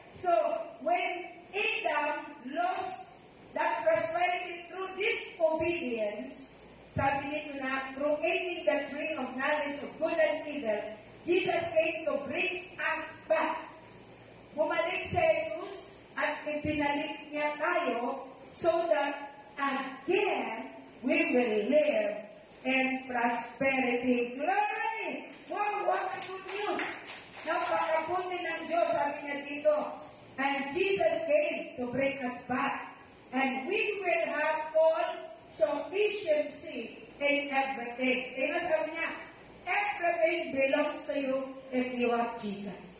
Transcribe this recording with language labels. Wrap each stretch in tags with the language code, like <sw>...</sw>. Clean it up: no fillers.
<en>So, when Adam lost that prosperity through disobedience,</en> <tl>sabi nito na,</tl> <en>through eating the tree of knowledge of good and evil, Jesus came to bring us back.</en> <tl>Bumalik si Jesus at ipinalik niya tayo</tl> <en>so that again we will live in prosperity. Glory! Wow, what a good news!</en> <tl>Napakabuti ng Diyos, sabi niya dito.</tl> <en>And Jesus came to bring us back. And we will have all sufficiency in everything.</en> <tl>Diba sabi niya,</tl> <en>everything belongs to you if you have Jesus.</en>